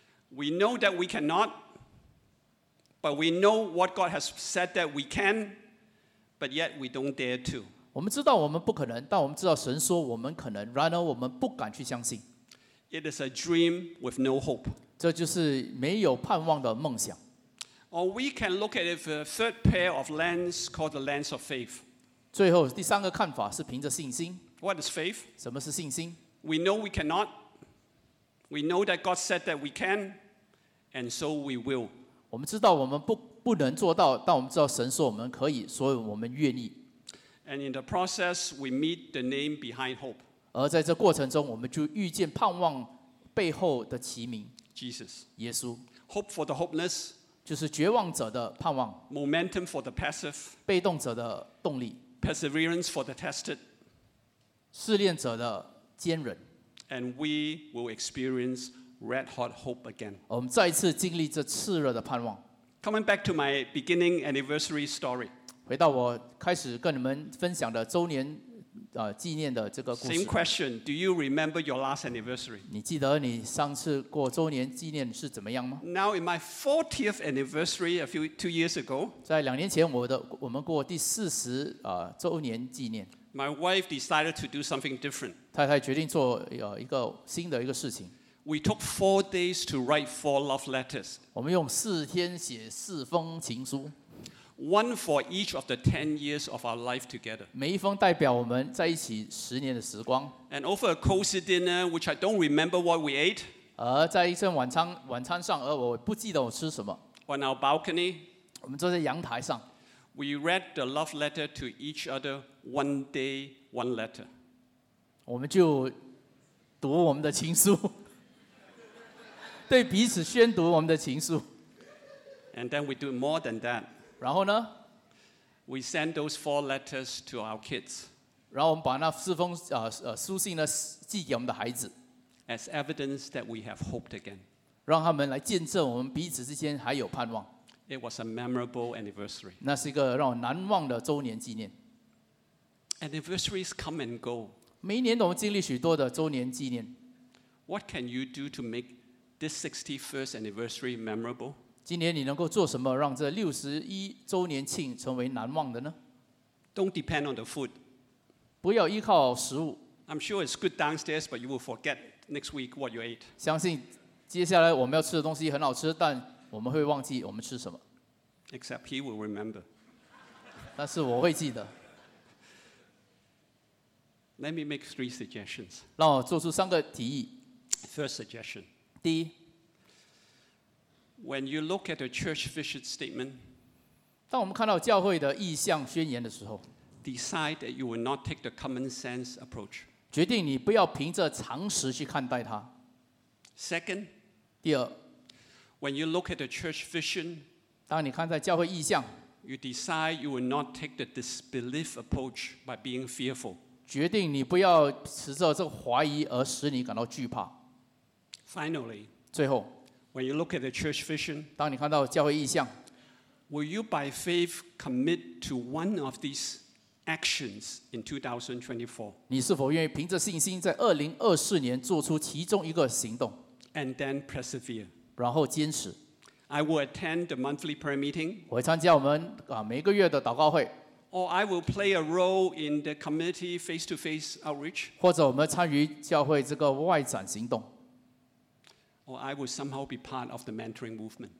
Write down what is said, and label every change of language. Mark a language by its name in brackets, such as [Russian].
[English] We know that we cannot, but we know what God has said that we can, but yet we don't dare to. [Chinese] 我们知道我们不可能，但我们知道神说我们可能，然而我们不敢去相信。 [English] It is a dream with no hope. [Chinese] 这就是没有盼望的梦想。 [English] Or we can look at it with a third pair of lens called the lens of faith. [Chinese] 最后第三个看法是凭着信心。 [English] What is faith? [Chinese] 什么是信心？ [English] We know we cannot. We know that God said that we can, and so we will. [Chinese] 我们知道我们 不能做到，但我们知道神说我们可以，所以我们愿意。 [English] And in the process, we meet the name behind hope. [Chinese] 而在这过程中，我们就遇见盼望背后的其名。 [English] Jesus. [Chinese] 耶稣。 [English] Hope for the hopeless. [Chinese] 就是绝望者的盼望 [English] ，momentum for the passive， [Chinese] 被动者的动力 [English] ，perseverance for the tested， [Chinese] 试炼者的坚韧 [English] ，and we will experience red hot hope again。 [Chinese] 我们再一次经历这炽热的盼望。 [English] Coming back to my beginning anniversary story， [Chinese] 回到我开始跟你们分享的周年纪念的这个故事。 [English] Same question， do you remember your last anniversary？ [Chinese] 你记得你上次过周年纪念是怎么样吗？ [English] Now in my 40th anniversary a few 2 years ago， [Chinese] 在两年前我们过第40周年纪念。 [English] My wife decided to do something different。 [Chinese] 太太决定做一个新的一个事情。 [English] We took 4 days to write 4 love letters。 [Chinese] 我们用四天写四封情书。 [English] One for each of the 10 years of our life together. [Chinese] 每一封代表我们在一起十年的时光。 [English] And over a cozy dinner, which I don't remember what we ate. [Chinese] 而在一顿晚餐上，而我不记得我吃什么。 [English] On our balcony, [Chinese] 我们坐在阳台上。 [English] We read the love letter to each other one day, one letter. [Chinese] 我们就读我们的情书，对彼此宣读我们的情书。 [English] And then we do more than that. [Chinese] 然后呢？ [English] We send those 4 letters to our kids. [Chinese] 然后我们把那四封书信呢寄给我们的孩子。 [English] As evidence that we have hoped again. [Chinese] 让他们来见证我们彼此之间还有盼望。 [English] It was a memorable anniversary. [Chinese] 那是一个让我难忘的周年纪念。 [English] Anniversaries come and go. [Chinese] 每一年我们经历许多的周年纪念。 [English] What can you do to make this 61st anniversary memorable? [Chinese] 今年你能够做什么让这61周年庆成为难忘的呢？ [English] Don't depend on the food. [Chinese] 不要依靠食物。 [English] I'm sure it's good downstairs, but you will forget next week what you ate. [Chinese] 相信接下来我们要吃的东西很好吃，但我们会忘记我们吃什么。 [English] Except he will remember. [Chinese] 但是我会记得。 [English] Let me make 3 suggestions. [Chinese] 让我做出三个提议。 [English] First suggestion. [Chinese] 第一。 [English] When you look at the church vision statement, [Chinese] 当我们看到教会的意向宣言的时候 [English] ，decide that you will not take the common sense approach. [Chinese] 决定你不要凭着常识去看待它。 [English] Second, [Chinese] 第二 [English] ，When you look at the church vision, [Chinese] 当你看待教会意向 [English] ，you decide you will not take the disbelief approach by being fearful. [Chinese] 决定你不要持着这个怀疑而使你感到惧怕。 [English] Finally, [Chinese] 最后。 [English] When you look at the church vision, [Chinese] 当你看到教会意向 [English] will you by faith commit to one of these actions in 2024? [Chinese] 你是否愿意凭着信心在2024年做出其中一个行动 [English] and then persevere? [Chinese] 然后坚持 [English] I will attend the monthly prayer meeting. [Chinese] 我会参加我们每个月的祷告会 [English] or I will play a role in the community face-to-face outreach. [Chinese] 或者我们参与教会这个外展行动 [English] Or I will somehow be part of the mentoring movement.